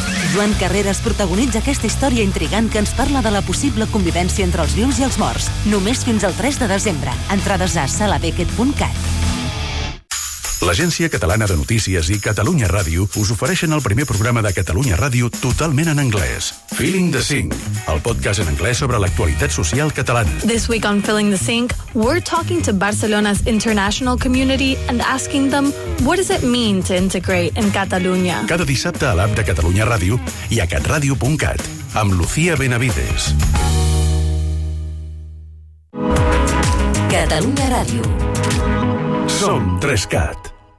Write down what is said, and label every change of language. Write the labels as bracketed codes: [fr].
[ca] Joan Carreras protagonitza aquesta història intrigant que ens parla de la possible convivència entre els vius i els morts. Només fins al 3 de desembre. Entrades a salabeckett.cat. L'Agència Catalana de Notícies i Catalunya Ràdio us ofereixen el primer programa de Catalunya Ràdio totalment en anglès. Feeling the Sync, el podcast en anglès sobre l'actualitat social catalana. [en] This week on Feeling the Sync, we're talking to Barcelona's international community and asking them what does it mean to integrate in Catalunya. [ca] Cada dissabte a l'app de Catalunya Ràdio i a catradio.cat amb Lucía Benavides. Catalunya Ràdio. Som 3CAT.